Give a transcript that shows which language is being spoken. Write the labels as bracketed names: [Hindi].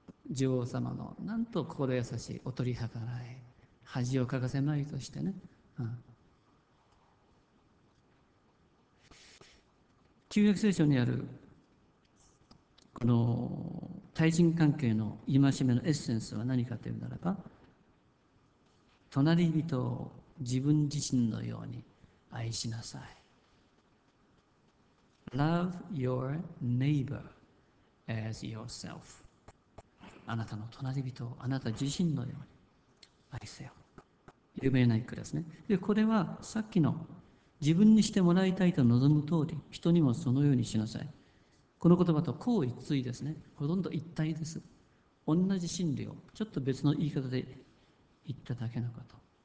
[Japanese] 女王様のなんと心優しい、お取り計らい、恥をかかせまいとしてね、うん、旧約聖書にあるこの対人関係の戒めのエッセンスは何かというならば、隣人を自分自身のように愛しなさい。 [English] Love your neighbor as yourself。 [Japanese] あなたの隣人をあなた自身のように愛せよ。有名な一句ですね。で、これはさっきの自分にしてもらいたいと望む通り人にもそのようにしなさい、この言葉と項一対ですね。ほとんど一体です。同じ真理をちょっと別の言い方で言っただけのこと。